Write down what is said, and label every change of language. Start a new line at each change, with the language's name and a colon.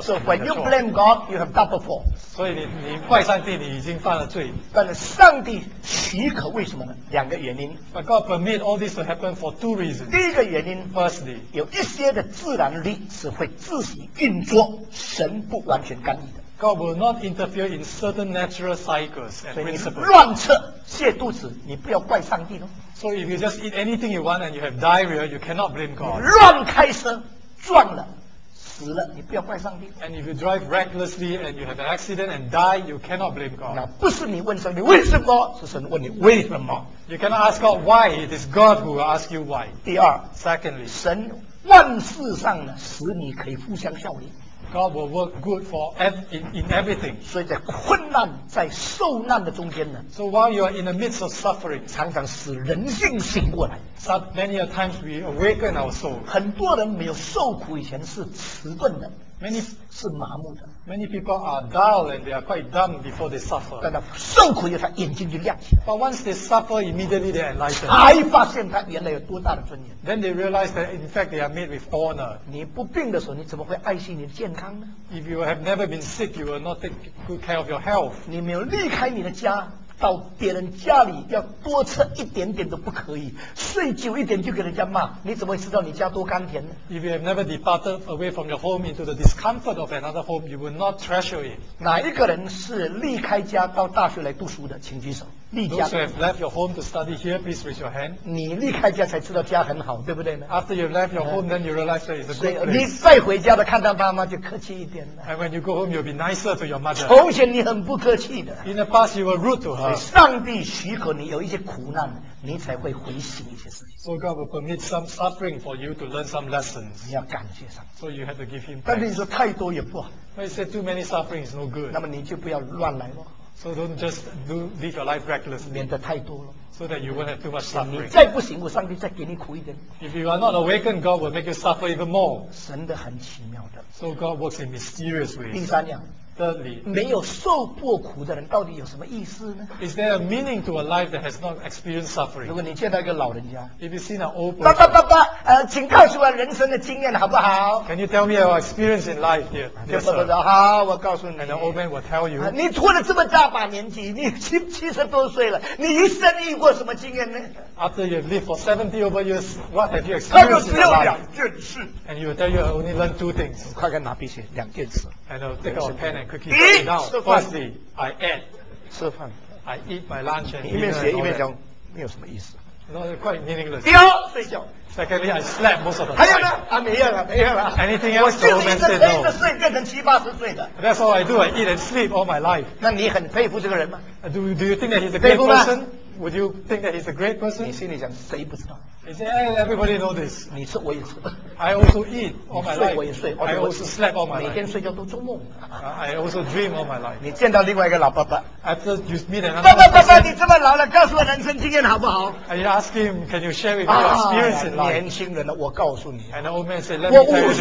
English: So when you blame God, you have double fault.
Chinese: 所以你怪上帝，你已经犯了罪。但是上帝许可，为什么呢？两个原因。
English: But God permit all this to happen for two reasons.
Chinese: 第一个原因
English: ，Firstly，
Chinese: 有一些的自然力是会自行运作，神不完全干预的。
English: God will not interfere in certain natural cycles and principles.
Chinese: 所以你乱吃泻肚子，你不要怪上帝喽。
English: So if you just eat anything you want and you have diarrhea, you cannot blame God.
Chinese: 乱开车。撞了，死死了，你不要怪上帝。
English: And if you drive recklessly and you have an accident and die, you cannot blame God.
Chinese: 那不是你问上帝为什么，是神问你为什么。
English: You cannot ask God why. It is God who will ask you why.
Chinese: 第二
English: ，Secondly，
Chinese: 神万事上呢，使你可以互相效力。
English: God will work good for in everything.
Chinese: 所以在困难、在受难的中间呢
English: ，So while you are in the midst of suffering，
Chinese: 常常使人性醒过来。
English: So many a times we awaken our soul.
Chinese: 很多人没有受苦以前是迟钝的
English: ，Many
Chinese: 是麻木的。
English: Many people are dull and they are quite dumb before they suffer.
Chinese: 但他受苦以后，他眼睛就亮起来。
English: But once they suffer, immediately they are enlightened.
Chinese: 才发现他原来有多大的尊严。
English: Then they realize that in fact they are made with honor.
Chinese: 你不病的时候，你怎么会爱惜你的健康呢
English: ？If you have never been sick, you will not take good care of your health.
Chinese: 你没有离开你的家。到别人家里要多吃一点点都不可以，睡久一点就给人家骂，你怎么会知道你家多甘甜呢
English: ？If you have never departed away from your home into the discomfort of another home, you will not treasure it.
Chinese: 哪一个人是离开家到大学来读书的？请举手。
English: Those who have left your home to study here, please raise your hand.
Chinese: 你离开家才知道家很好，对不对呢
English: ？After you left your home, then you realize that it's a good place.
Chinese: 你再回家的看到妈妈就客气一点了。
English: And when you go home, you'll be nicer to your mother.
Chinese: 从前你很不客气的。
English: In the past, you were rude to her.
Chinese: 上帝许可你有一些苦难，你才会回心一些事情。
English: So God will permit some suffering for you to learn some lessons.
Chinese: 你要感谢上帝。
English: So you have to give him thanks.
Chinese: 但你说太多也不好。
English: But you say too many suffering is no good.
Chinese: 那么你就不要乱来了。
English: So don't just do live your life recklessly.
Chinese: 免得太多了。
English: So that you won't have too much suffering.
Chinese: 你再不行，我上帝再给你苦一点。
English: If you are not awakened, God will make you suffer even more.
Chinese: 神的很奇妙的。
English: So God works in mysterious ways.
Chinese: 第三样。
English: Thirdly.
Chinese: 没有受过苦的人到底有什么意思呢
English: ？Is there a meaning to a life that has not experienced suffering?
Chinese: 如果你见到一个老人家
English: ，If you see an old person.
Chinese: 爸，请告诉我人生的经验好不好
English: ？Can you tell me your experience in life, dear?
Chinese: 爸，好，我告诉你。
English: And the old man will tell you.
Chinese: 你活了这么大把年纪，你70多岁了，你一生遇过什么经验呢
English: ？After you've lived for 70 over years, what have you experienced in life?
Chinese: 他就只有两件事。
English: And you will tell you only learn two things.
Chinese: 快跟拿笔写两件事。
English: And I'll take out a pen and quickly write it down. Firstly, I ate.
Chinese: 吃饭
English: I eat my lunch and
Chinese: 一面写一面讲，没有什么意思。
English: No, it's quite meaningless.
Chinese: 第二，睡觉。
English: Secondly, I slept most of the time.
Chinese: 还有呢？啊，没有了，没有了。
English: Anything else?
Chinese: 我就是一直陪着睡，变成70、80岁的。
English: That's all I do. I eat and sleep all my life.
Chinese: 那你很佩服这个人吗
English: ？Do you think that he's a great person? Would you think that he's a great person?
Chinese: 你心里想，谁不知道？
English: He said, everybody know this.
Chinese: 你吃我也吃。
English: I also eat all my life.
Chinese: 你睡我也睡。
English: I also slept all my life.
Chinese: 每天睡觉都做梦。
English: I also dream all my life.
Chinese: 你见到另外一个老伯伯。
English: After you meet another person.
Chinese: 爸，你这么老了，告诉我人生经验好不好
English: ？And you ask him, can you share with me your experience in life?
Chinese: 年轻人呢，我告诉你。
English: And the old man said, let me tell you this.